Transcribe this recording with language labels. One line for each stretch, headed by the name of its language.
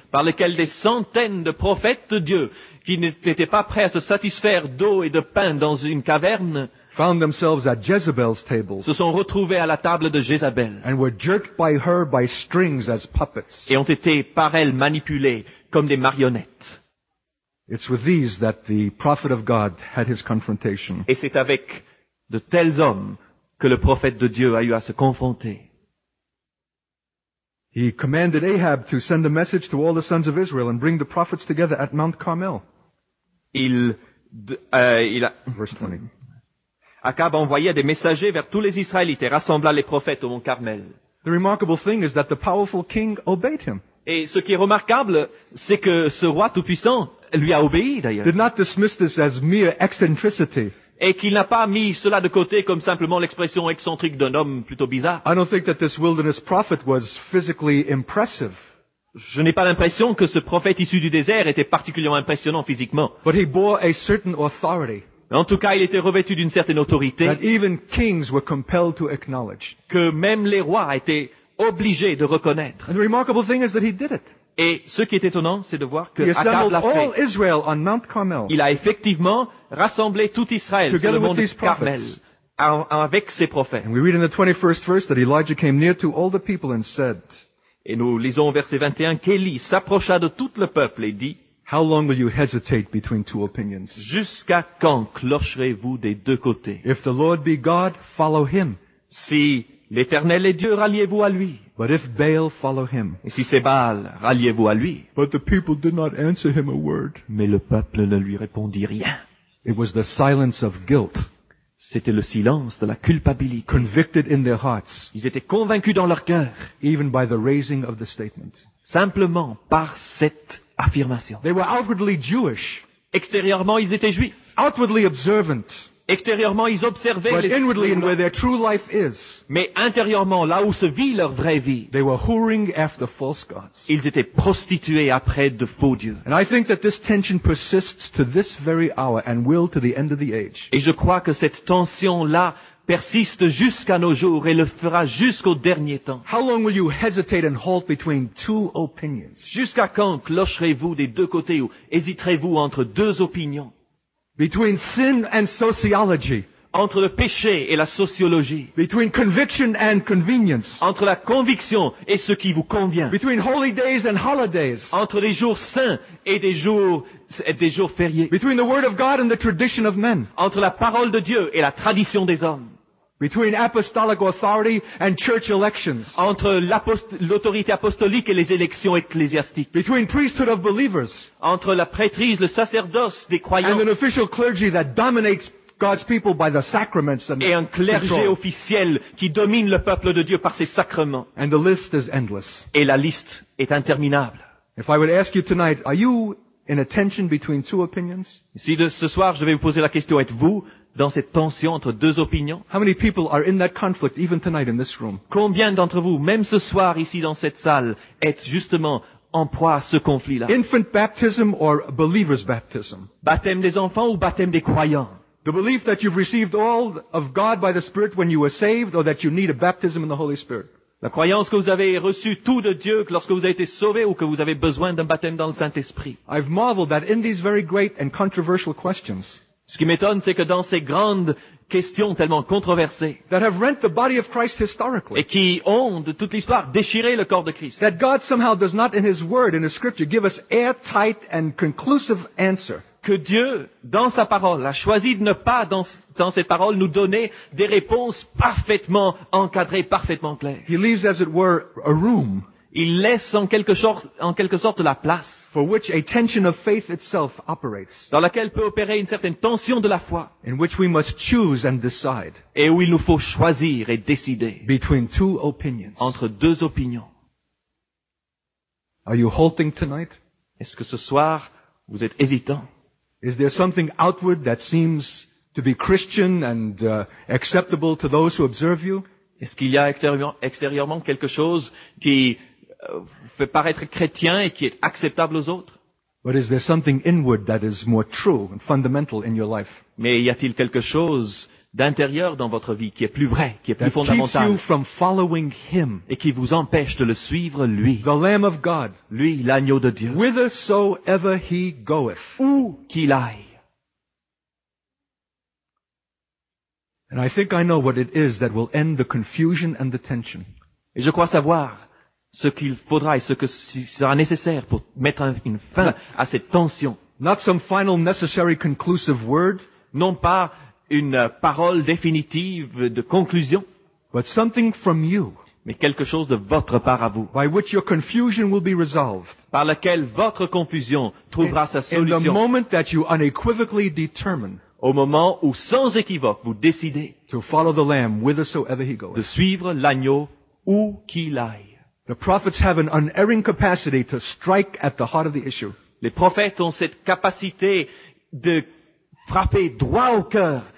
French: Par lesquels des centaines de prophètes de Dieu qui n'étaient pas prêts à se satisfaire d'eau et de pain dans une caverne.
English: Found themselves at Jezebel's table.
French: Se sont retrouvés à la table de Jézabel.
English: And were jerked by her by strings as puppets.
French: Et ont été par elle manipulés comme des marionnettes.
English: It's with these that the prophet of God had his confrontation.
French: Et c'est avec de tels hommes que le prophète de Dieu a eu à se confronter.
English: He commanded Ahab to send a message to all the sons of Israel and bring the prophets together at Mount Carmel. Verse 20.
French: Achab envoya des messagers vers tous les Israélites et rassembla les prophètes au Mont Carmel.
English: The remarkable thing is that the powerful king obeyed him.
French: Et ce qui est remarquable, c'est que ce roi tout-puissant lui a obéi d'ailleurs.
English: Did not dismiss this as mere eccentricity.
French: et qu'il n'a pas mis cela de côté comme simplement l'expression excentrique d'un homme plutôt bizarre.
English: I don't think that this wilderness prophet was physically impressive.
French: Je n'ai pas l'impression que ce prophète issu du désert était particulièrement impressionnant physiquement.
English: But he bore a certain authority.
French: En tout cas, il était revêtu d'une certaine autorité
English: that even kings were compelled to acknowledge.
French: Que même les rois étaient obligés de reconnaître.
English: And the remarkable thing is that he did it.
French: Et ce qui est étonnant, c'est de voir que
English: Israël on Mount Carmel.
French: Il a effectivement rassemblé tout Israël sur le mont de Carmel avec ses prophètes.
English: And we read in the 21st verse that Elijah came near to all the people and said.
French: Et nous lisons au verset 21 qu'Élie s'approcha de tout le peuple et dit.
English: How long will you hesitate between two opinions?
French: Jusqu'à quand clocherez-vous des deux côtés?
English: If the Lord be God, follow him.
French: Si l'Éternel est Dieu, ralliez-vous à lui.
English: But if Baal, follow him.
French: Et si c'est Baal, ralliez-vous à lui.
English: But the people did not answer him a word.
French: Mais le peuple ne lui répondit rien.
English: It was the silence of guilt.
French: C'était le silence de la culpabilité.
English: Convicted in their hearts.
French: Ils étaient convaincus dans leur cœur.
English: Even by the raising of the statement.
French: Simplement par cette affirmation.
English: They were outwardly Jewish.
French: Extérieurement, ils étaient juifs.
English: Outwardly observant.
French: Extérieurement, ils observaient
English: but inwardly in where their true life is.
French: Mais intérieurement, là où se vit leur vraie vie.
English: They were whoring after false gods.
French: Ils étaient prostitués après de faux dieux.
English: And I think that this tension persists to this very hour and will to the end of the age.
French: Et je crois que cette tension là persiste jusqu'à nos jours et le fera jusqu'au dernier temps.
English: How long will you hesitate and halt between two opinions?
French: Jusqu'à quand clocherez-vous des deux côtés ou hésiterez-vous entre deux opinions?
English: Between sin and sociology.
French: Entre le péché et la sociologie.
English: Between conviction and convenience.
French: Entre la conviction et ce qui vous convient.
English: Between holy days and holidays.
French: Entre les jours saints et des jours fériés.
English: Between the word of God and the tradition of men.
French: Entre la parole de Dieu et la tradition des hommes.
English: Between apostolic authority and church elections.
French: Entre l'autorité apostolique et les élections ecclésiastiques.
English: Between priesthood of believers.
French: Entre la prêtrise, le sacerdoce des croyants.
English: And an official clergy that dominates God's people by the sacraments and
French: et un clergé
English: control.
French: Officiel qui domine le peuple de Dieu par ses sacrements.
English: And the list is endless.
French: Et la liste est interminable.
English: If I would ask you tonight, are you in a tension between two opinions?
French: Si de ce soir je vais vous poser la question, êtes-vous dans cette tension entre deux opinions?
English: How many people are in that conflict even tonight in this room?
French: Combien d'entre vous, même ce soir ici dans cette salle, êtes justement en proie à ce conflit-là?
English: Infant baptism or believer's baptism?
French: Baptême des enfants ou baptême des croyants?
English: The belief that you've received all of God by the Spirit when you were saved or that you need a baptism in the Holy Spirit?
French: La croyance que vous avez reçue tout de Dieu lorsque vous avez été sauvé ou que vous avez besoin d'un baptême dans le Saint-Esprit?
English: I've marveled that in these very great and controversial questions.
French: Ce qui m'étonne, c'est que dans ces grandes questions tellement controversées
English: that have rent the body of Christ historically,
French: et qui ont, de toute l'histoire, déchiré le corps de Christ,
English: that God somehow does not in His Word, in His Scripture, give us airtight and conclusive answer.
French: Que Dieu, dans sa parole, a choisi de ne pas, dans cette parole, nous donner des réponses parfaitement encadrées, parfaitement claires.
English: He leaves, as it were, a room.
French: Il laisse en quelque sorte la place.
English: For which a tension of faith itself operates.
French: Dans laquelle peut opérer une certaine tension de la foi.
English: In which we must choose and decide.
French: Et où il nous faut choisir et décider.
English: Between two opinions.
French: Entre deux opinions.
English: Are you halting tonight?
French: Est-ce que ce soir, vous êtes hésitant?
English: Is there something outward that seems to be Christian and acceptable to those who observe you?
French: Est-ce qu'il y a extérieurement quelque chose qui fait paraître chrétien et qui est acceptable aux autres?
English: But is there something inward that is more true and fundamental in your life?
French: Mais y a-t-il quelque chose d'intérieur dans votre vie qui est plus vrai, qui est plus fondamental?
English: That keeps you from following him.
French: Et qui vous empêche de le suivre, lui.
English: The Lamb of God.
French: Lui, l'agneau de Dieu.
English: Whithersoever he goeth.
French: Où qu'il aille.
English: And I think I know what it is that will end the confusion and the tension.
French: Et je crois savoir ce qu'il faudra et ce que sera nécessaire pour mettre une fin à cette tension.
English: Not some final necessary conclusive word.
French: Non pas une parole définitive de conclusion.
English: But something from you.
French: Mais quelque chose de votre part à vous.
English: By which your confusion will be resolved.
French: Par laquelle votre confusion trouvera sa solution.
English: In the moment that you unequivocally determine.
French: Au moment où sans équivoque vous décidez.
English: To follow the Lamb whithersoever he goes.
French: De suivre l'agneau où qu'il aille.
English: The prophets have an unerring capacity to strike at the heart of the issue.
French: Les prophètes ont cette capacité de frapper droit au cœur